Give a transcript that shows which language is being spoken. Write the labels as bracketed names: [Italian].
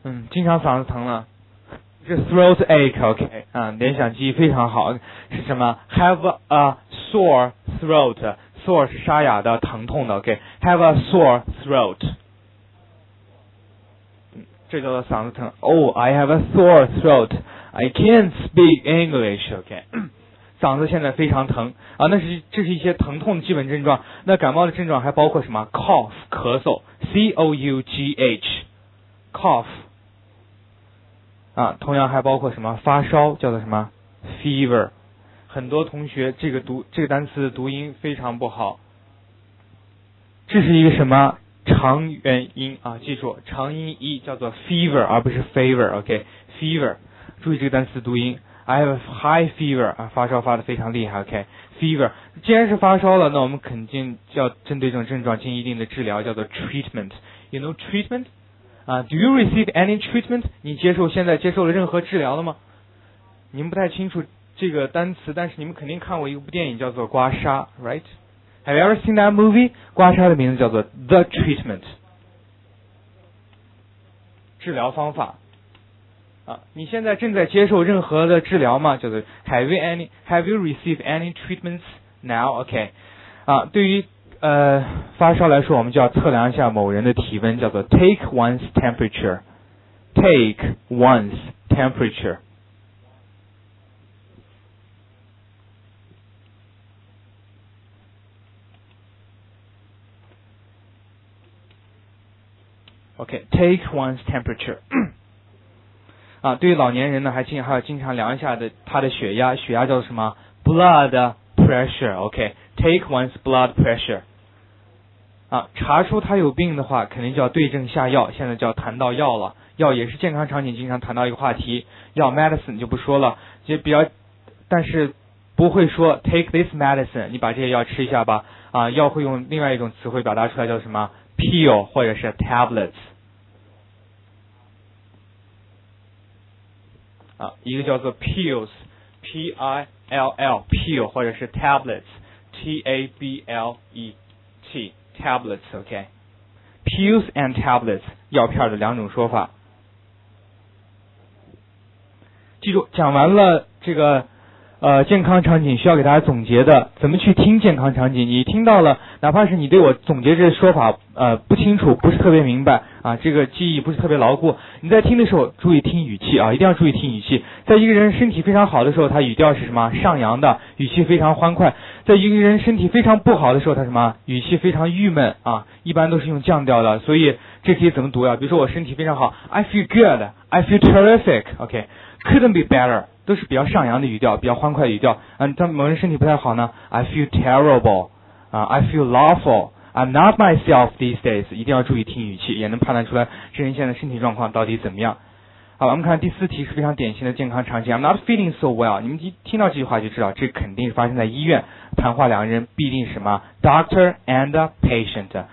[Chinese] 经常嗓子疼了，这 throat ache， OK 啊，联想记忆非常好，是什么 ？ Have a sore throat， sore 是沙哑的、疼痛的 ，OK， have a sore throat，这叫做嗓子疼。 Oh， I have a sore throat， I can't speak English， OK， 嗓子现在非常疼啊，这是一些疼痛的基本症状。那感冒的症状还包括什么 ？Cough， 咳嗽 ，C O U G H。 cough 啊，同样还包括什么发烧，叫做什么 fever。很多同学这个单词的读音非常不好，这是一个什么长元音啊，记住长音 e 叫做 fever 而不是 favor， OK， fever， 注意这个单词读音， I have high fever 啊，发烧发得非常厉害， OK， fever， 既然是发烧了，那我们肯定要针对这种症状进行一定的治疗，叫做 treatment， you know treatment， do you receive any treatment，你接受现在接受了任何治疗了吗？您不太清楚这个单词，但是你们肯定看过一部电影叫做刮痧， right？ [English] Have you ever seen that movie? [Chinese] 刮痧的名字叫做 The Treatment， 治疗方法啊。你现在正在接受任何的治疗吗？ [English] 叫做 Have you received any treatments now? [Chinese] OK， 啊，对于发烧来说，我们就要测量一下某人的体温，叫做 Take one's temperature， Take one's temperature。 [English] Okay, take one's temperature. [Chinese] 啊，对于老年人呢，还要经常量一下的他的血压，血压叫什么 ？Blood pressure. [English] Okay, take one's blood pressure. [Chinese] 啊，查出他有病的话，肯定就要对症下药。现在就要谈到药了，药也是健康场景经常谈到一个话题。药 medicine 就不说了，也比较，但是不会说 take this medicine，你把这些药吃一下吧。啊，药会用另外一种词汇表达出来，叫什么？ pill 或者是 tablets， 啊，一个叫做 pills， p i l l， pill 或者是 tablets， t a b l e t， tablets， OK， pills and tablets，药片的两种说法。记住，讲完了这个健康场景需要给大家总结的，怎么去听健康场景？你听到了，哪怕是你对我总结这些说法不清楚，不是特别明白啊，这个记忆不是特别牢固。你在听的时候注意听语气啊，一定要注意听语气。在一个人身体非常好的时候，他语调是什么？上扬的，语气非常欢快。在一个人身体非常不好的时候，他什么？语气非常郁闷啊，一般都是用降调的。所以这题怎么读呀？ [English] 比如说我身体非常好，I feel good， I feel terrific， OK， couldn't be better。 [Chinese] 都是比较上扬的语调，比较欢快的语调。 [English] 嗯，但某人身体不太好呢，I feel terrible， I feel awful， I'm not myself these days。 [Chinese] 一定要注意听语气，也能判断出来这人现在身体状况到底怎么样。好，我们看第四题是非常典型的健康场景 ， I'm not feeling so well。你们听到这句话就知道，这肯定是发生在医院，谈话两个人必定是什么 ， doctor and patient。